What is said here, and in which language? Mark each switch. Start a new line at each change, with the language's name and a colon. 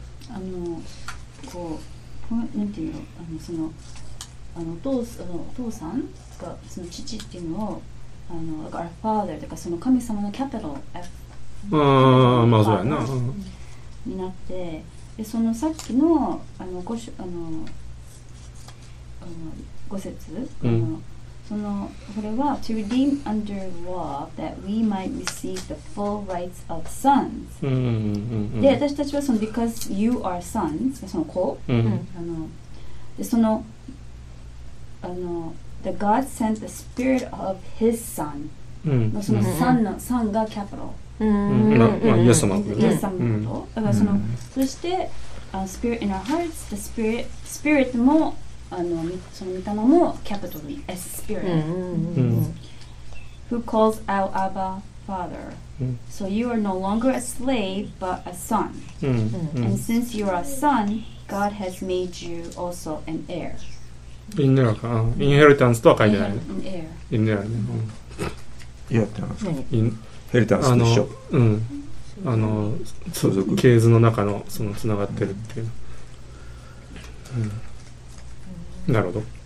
Japanese: あのこうなんていうの、あのそのあの父さんがその父っていうのをあのだから father とかその神様のキャピタル F、ああまあそうやな、になって、でそのさっきのあのごしあのあの五節、うん、
English: そのこれは to redeem under law that we might receive the full rights of sons、
Japanese: うんうんうん、で私たちはその because you are sons その子、うんうん、
English: あのでそのあの the God sent the spirit of his son、
Japanese: うん、その son の son がキャピタル、まあイエス様、イエス様と、だからその、うん、そして、 spirit in our hearts the spirit もあのその御霊もキャピタルに S spirit、うんうんうん、
English: who calls out Abba Father、
Japanese: うん、
English: so you are no longer a slave but a son、
Japanese: うん、
English: and since you are a son God has made you also an heir
Japanese: インヘルタンスとは書いてないね。インヘルタンス。インヘルタンス。インヘルタンス。インヘルタンスと一緒。うん。あの、相続。系図の中の、その、つながってるっていう。うん。なるほど。